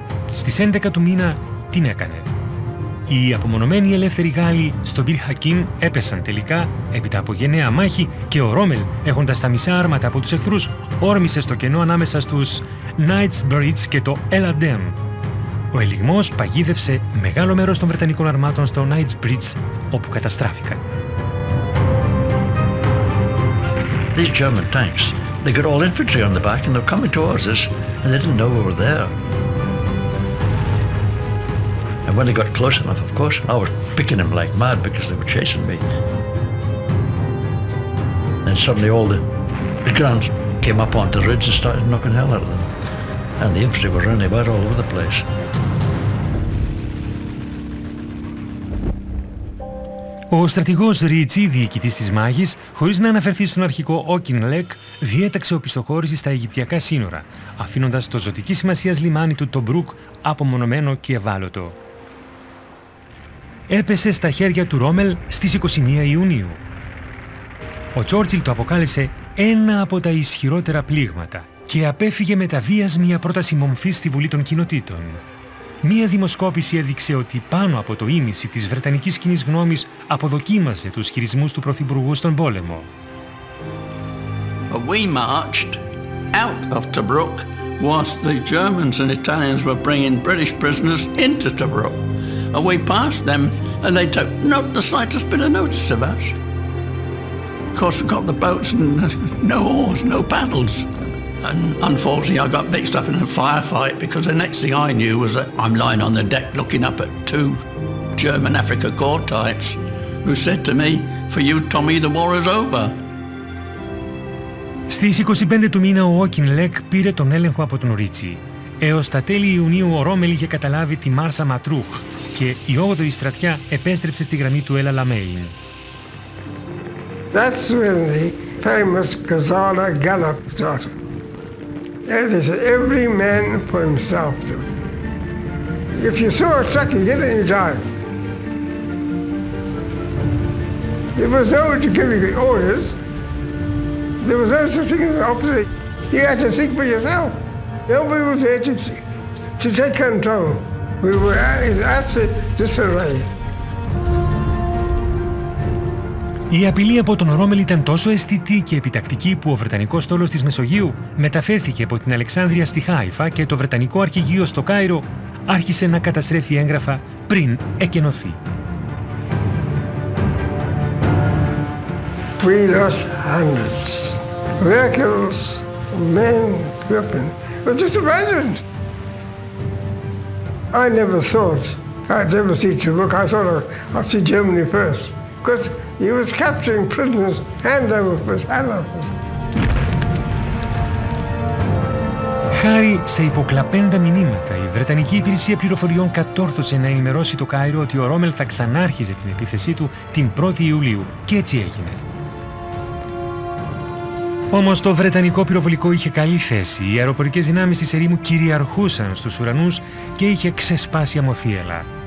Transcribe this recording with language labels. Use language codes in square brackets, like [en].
[el] Στις 11 του μήνα την έκανε. Οι απομονωμένοι ελεύθεροι Γάλλοι στον Μπιρ Χακίμ έπεσαν τελικά έπειτα από γενναία μάχη και ο Ρόμελ, έχοντας τα μισά άρματα από τους εχθρούς, όρμησε στο κενό ανάμεσα στους Knightsbridge και το Elandem. Ο ελιγμός παγίδευσε μεγάλο μέρος των Βρετανικών αρμάτων στο Knightsbridge, όπου καταστράφηκαν. [en] These German tanks, they got all infantry on the back and they're coming towards us and they didn't know we were there. And when they got close enough, of course, I was picking them like mad because they were chasing me. And suddenly all the guns came up onto the ridge and started knocking hell out of them. And the infantry were running about all over the place. [el] Ο στρατηγός Ρίτσι, διοικητής της μάχης, χωρίς να αναφερθεί στον αρχικό Όκινλεκ, διέταξε οπισθοχώρηση στα Αιγυπτιακά σύνορα, αφήνοντας το ζωτική σημασίας λιμάνι του Τομπρούκ απομονωμένο και ευάλωτο. Έπεσε στα χέρια του Ρόμελ στις 21 Ιουνίου. Ο Τσόρτσιλ το αποκάλεσε ένα από τα ισχυρότερα πλήγματα και απέφυγε με τα βίας μια πρόταση μομφής στη Βουλή των Κοινοτήτων. Μια δημοσκόπηση έδειξε ότι πάνω από το ίμιση της Βρετανικής κοινή γνώμης αποδοκίμαζε τους χειρισμούς του Πρωθυπουργού στον πόλεμο. [en] We marched out of Tobruk whilst the Germans and Italians were bringing British prisoners into Tobruk. And we passed them, and they took not the slightest bit of notice of us. Of course, we got the boats and no oars, no paddles. And unfortunately, I got mixed up in a firefight because the next thing I knew was that I'm lying on the deck looking up at two German Africa Corps types who said to me, "For you, Tommy, the war is over." [el] Στις 25 του μήνα, ο Όκινλεκ πήρε τον έλεγχο από τον Ρίτσι. Έως τα τέλη Ιουνίου, ο Ρόμελ είχε καταλάβει τη Μάρσα Ματρούχ και η 8η στρατιά επέστρεψε στη γραμμή του Έλα Λαμέιν. [en] That's when the famous Gazala Gallop started. It is every man for himself. If you saw a truck, you get in your drive. There was no one to give you the orders. There was no such thing as an opposite. You had to think for yourself. Nobody was there to take control. We were in absolute disarray. [el] Η απειλή από τον Ρόμελ ήταν τόσο αισθητή και επιτακτική που ο Βρετανικός στόλος της Μεσογείου μεταφέρθηκε από την Αλεξάνδρεια στη Χάιφα και το Βρετανικό αρχηγείο στο Κάιρο άρχισε να καταστρέφει έγγραφα πριν εκενωθεί. [en] We lost hundreds. Vehicles, men, equipment. But just imagine. I never thought I'd ever see Tobruk. I thought I'd see Germany first. Because he was capturing prisoners hand over fist, hand over fist. [el] Χάρη σε υποκλαπέντα μηνύματα, η Βρετανική Υπηρεσία Πληροφοριών κατόρθωσε να ενημερώσει το Κάιρο ότι ο Ρόμελ θα ξανάρχιζε την επίθεσή του την 1η Ιουλίου. Και έτσι έγινε. Όμως το Βρετανικό πυροβολικό είχε καλή θέση. Οι αεροπορικές δυνάμεις της ερήμου κυριαρχούσαν στους ουρανούς και είχε ξεσπάσει αμοφίελα.